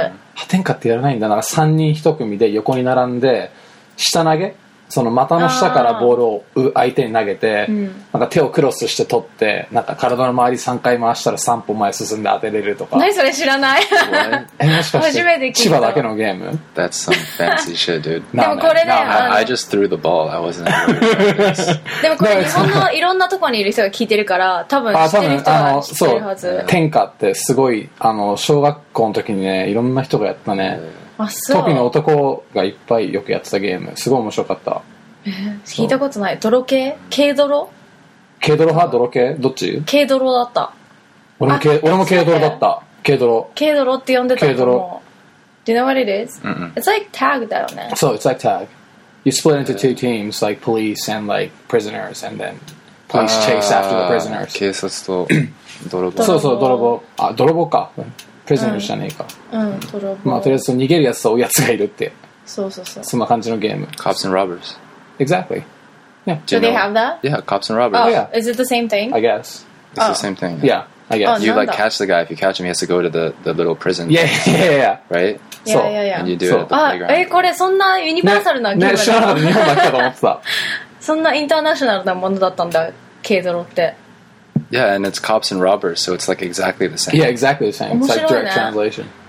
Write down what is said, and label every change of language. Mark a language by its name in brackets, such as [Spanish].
[Japanese] うん、天下ってやらないんだ。なんか3人1組で横に並んで下投げ、その股の下からボールを相手に投げて、なんか手をクロスして取って、なんか体の周り3回回したら3歩前進んで当てれるとか。何それ知らない。え、もしかして千葉だけのゲーム。 [English] That's some fancy shit, dude. [Japanese] でもこれね、 [English] I just threw the ball, I wasn't really [Japanese] でもこれ日本のいろんなとこにいる人が聞いてるから多分知ってる人は知ってるはず。そう、天下ってすごい、あの小学校の時にね、いろんな人がやったね。特に男がいっぱいよくやってたゲーム、すごい面白かった。聞いたことない。泥系、軽泥、軽泥派、泥系、どっち。軽泥だった。俺も軽泥だった。軽泥、軽泥って呼んでたと思う。 [English] Do you know what it is? It's like tag [Japanese] だよね。 [English] そう、so, it's like tag. You split into two teams, like police and like prisoners, and then police chase after the prisoners. [Japanese] 警察と泥棒。そうそう、泥棒。あ、泥棒か、プレゼントじゃねえか。うん、うん、まあとりあえず逃げるやつと追うやつがいるって。そうそうそう。そんな感じのゲーム。 [English] Cops and robbers. Exactly. Yeah. Do they have that? Yeah, cops and robbers. Oh, yeah. Is it the same thing? I guess. It's the same thing. Yeah, I guess. You like catch the guy. If you catch him, he has to go to the little prison. Yeah. Right? Yeah. And you do it at the playground. [Japanese] え、これそんなユニバーサルなゲームだ。ね、知らなかった。日本だけだと思ってた。そんなインターナショナルなものだったんだ、軽泥って。 [English] Yeah, and it's cops and robbers, so it's like exactly the same. Yeah, exactly the same. It's like direct translation.